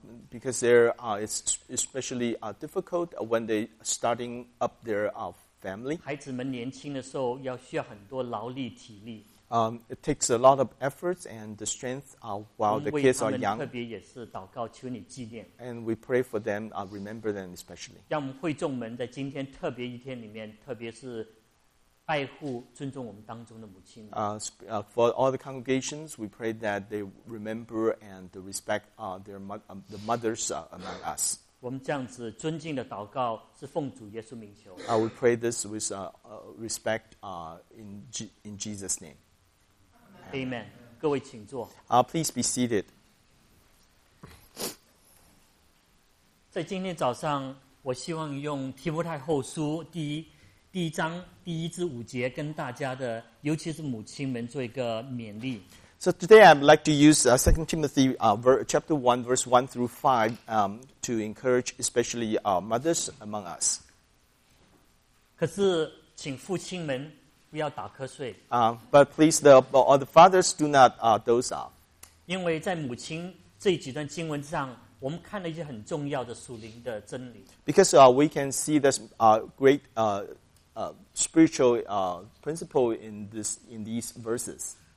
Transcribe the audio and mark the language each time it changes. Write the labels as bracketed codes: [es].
[en] Because they're it's especially difficult when they starting up their family. [zh] 孩子们年轻的时候要需要很多劳力体力。 [en] It takes a lot of efforts and the strength while the kids are young. [zh] 特别也是祷告，求你纪念。 [en] And we pray for them, remember them especially. [zh] 让我们会众们在今天特别一天里面，特别是爱护、尊重我们当中的母亲。 [en] For all the congregations, we pray that they remember and respect the mothers among us. [zh] 我们这样子尊敬的祷告是奉主耶稣名求。 [en] We pray this with respect in Jesus' name. [zh] Amen. 各位请坐。 [en] Please be seated. [zh] 在今天早上，我希望用提摩太后书第一章第一至五节跟大家的，尤其是母亲们做一个勉励。 [en] So today I'd like to use 2 Timothy chapter 1, verse 1 through 5 to encourage especially mothers among us. [zh] 可是请父亲们不要打瞌睡。 [en] But please, the fathers do not doze off. [zh] 因为在母亲这几段经文上, 我们看了一些很重要的属灵的真理。 [en] Because we can see this great spiritual principle in these verses.